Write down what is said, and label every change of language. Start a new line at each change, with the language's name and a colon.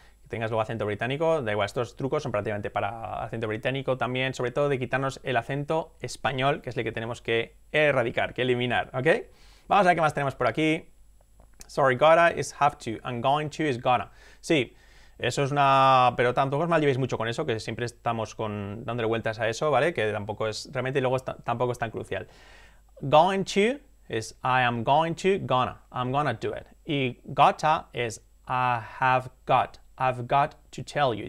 Spanish: Que tengas luego acento británico, da igual, estos trucos son prácticamente para acento británico también, sobre todo de quitarnos el acento español, que es el que tenemos que erradicar, que eliminar, ¿ok? Vamos a ver qué más tenemos por aquí.
English: Sorry, gotta is have to, I'm going to is gonna.
Spanish: Sí. Eso es una... Pero tampoco os mal llevéis mucho con eso, que siempre estamos dándole vueltas a eso, ¿vale? Que tampoco es... Realmente luego tampoco es tan crucial.
English: Going to es I am going to, gonna. I'm gonna do it. Y gotta es I have got. I've got to tell you.